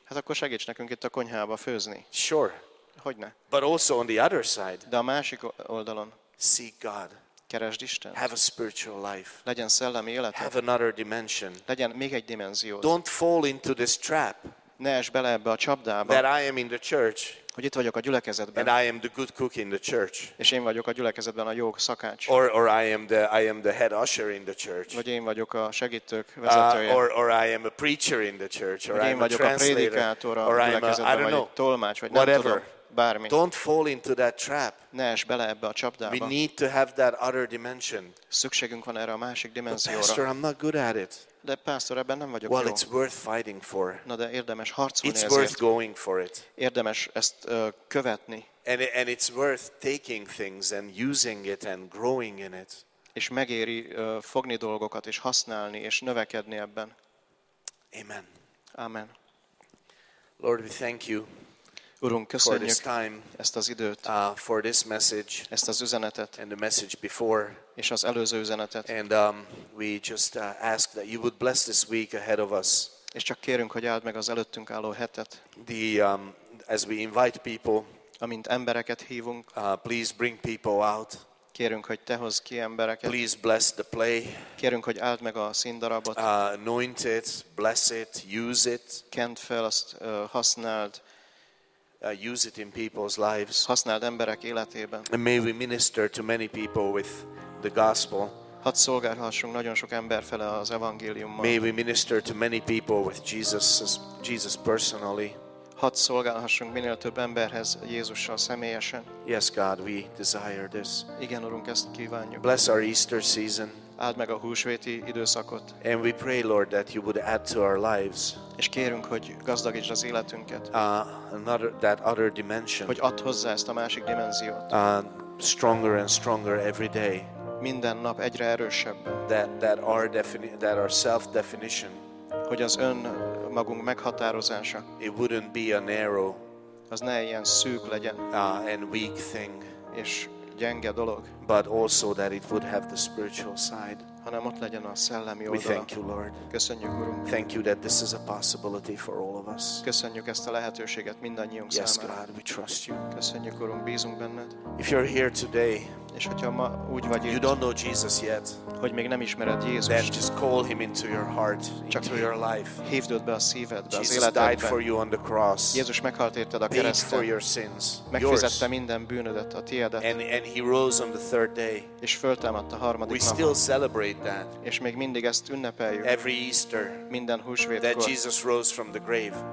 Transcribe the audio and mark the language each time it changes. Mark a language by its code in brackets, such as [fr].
[hu] Hát akkor segíts nekünk itt a konyhába főzni. [en] Sure. [hu] Hogyne. [en] But also on the other side. [hu] De a másik oldalon. [en] Seek God. [hu] Keresd Istent. [en] Have a spiritual life. [hu] Legyen szellemi életed. [en] Have another dimension. [hu] Legyen még egy dimenziód. [en] Don't fall into this trap. [hu] Ne esd bele ebbe a csapdába. [en] That I am in the church. [hu] Hogy itt vagyok a gyülekezetben. [en] And I am the good cook in the church. [hu] És én vagyok a gyülekezetben a jó szakács. [en] Or I am the head usher in the church. [hu] Vagy én vagyok a segítők vezetője. [en] Or I am a preacher in the church. Or [hu] én vagyok a prédikátor a gyülekezetben, vagy tolmács, vagy [en] whatever. [hu] Nem tudom. Bármi. [en] Don't fall into that trap. [hu] Ne esd bele ebbe a csapdába. [en] We need to have that other dimension. [hu] Szükségünk van erre a másik dimenzióra. [en] But pastor, I'm not good at it. [hu] De pásztor, ebben nem vagyok [en] well, [hu] jó. [en] Well, it's worth fighting for. [hu] Na, de érdemes harcolni ezért. [en] It's worth going for it. [hu] Érdemes ezt követni. [en] And it's worth taking things and using it and growing in it. [hu] És megéri fogni dolgokat és használni és növekedni ebben. [en] Amen. [hu] Amen. [en] Lord, we thank you. [hu] Urunk, köszönjük [en] for this time, [hu] ezt az időt, [en] for this message, [hu] ezt az üzenetet, [en] and the message before, [hu] és az előző üzenetet. [en] And we just ask that you would bless this week ahead of us. [hu] És csak kérünk, hogy áld meg az előttünk álló hetet. [en] As we invite people, [hu] amint embereket hívunk, [en] please bring people out. [hu] Kérünk, hogy te hozz ki embereket. [en] Please bless the play. [hu] Kérünk, hogy áld meg a színdarabot. [en] Anoint it, bless it, use it. [hu] Kent fel, azt használd. [en] Use it in people's lives. [hu] Használd emberek életében. [en] And may we minister to many people with the gospel. [hu] Hadd szolgálhassunk nagyon sok ember fele az evangéliummal. [en] May we minister to many people with Jesus personally. [hu] Hadd szolgálhassunk minél több emberhez Jézussal személyesen. [en] Yes, God, we desire this. [hu] Igen, Urunk, ezt kívánjuk. [en] Bless our Easter season. [hu] Áld meg a húsvéti időszakot. [en] And we pray, Lord, that you would add to our lives. [hu] És kérünk, hogy gazdagítsd az életünket. [en] That other dimension. [hu] Hogy add hozzá ezt a másik dimenziót. [en] Stronger and stronger every day. [hu] Minden nap egyre erősebb. [en] That our self definition. [hu] Hogy az ön magunk meghatározása. [en] It wouldn't be a narrow. [hu] Az ne ilyen szűk legyen. [en] And weak thing. [hu] És gyenge dolog. [en] But also that it would have the spiritual side. [hu] Hanem ott legyen a szellemi oldala. [en] We thank you, Lord. [hu] Köszönjük, Urunk. [en] Thank you that this is a possibility for all of us. [hu] Köszönjük ezt a lehetőséget mindannyiunk [en] yes, [hu] számára. [en] Yes, God, we trust you. [hu] Köszönjük, Urunk, bízunk benned. [en] If you're here today. [hu] És hogyha ma úgy vagy itt, [en] you don't know Jesus yet. [hu] Hogy még nem ismered Jézust. [en] Then just call him into your heart, into your life. [hu] Hívd őt be a szívedbe, [en] Jesus [hu] az életedbe. [en] Died for you on the cross. [hu] Jézus meghalt érted a kereszten. [en] For your sins, [hu] megfizette minden bűnödet, a tiédet. [en] And he rose on the third day. [hu] És föltámadt a harmadik [en] we [hu] napon. [en] We still celebrate that. [hu] És még mindig ezt ünnepeljük. [en] Every Easter, [hu] minden húsvétkor. [en] That Jesus rose from the grave.